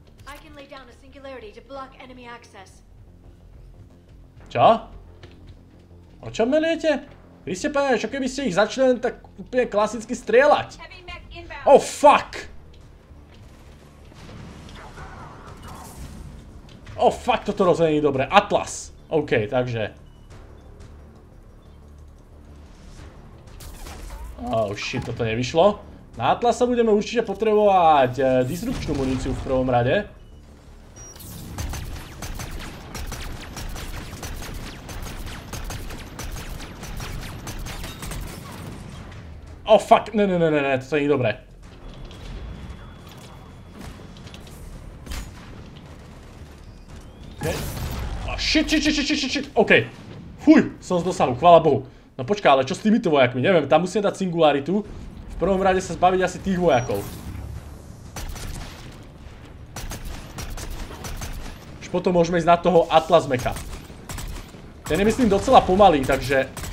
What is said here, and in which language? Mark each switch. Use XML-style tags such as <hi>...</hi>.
<en>I can lay down a singularity to block enemy access.</en> <sk>Čo? O čom meliete? Vy ste pánia, čo keby ste ich začali len tak úplne klasicky strieľať?</sk> <en>Oh fuck!</en> <sk>Oh fuck, toto rozhodne nie dobre. Atlas! OK, takže. Oh shit, toto nevyšlo. Na Atlasa budeme určite potrebovať disrupčnú muníciu v prvom rade. Oh fuck, ne, toto nie je dobré. Shit, OK. Fuj, som z dosahu, chvála Bohu. No počkaj, ale čo s týmito vojakmi? Neviem, tam musíme dať singularitu. V prvom rade sa zbaviť asi tých vojakov. Už potom môžeme ísť na toho Atlas mecha. Ten je myslím docela pomalý, takže...</sk>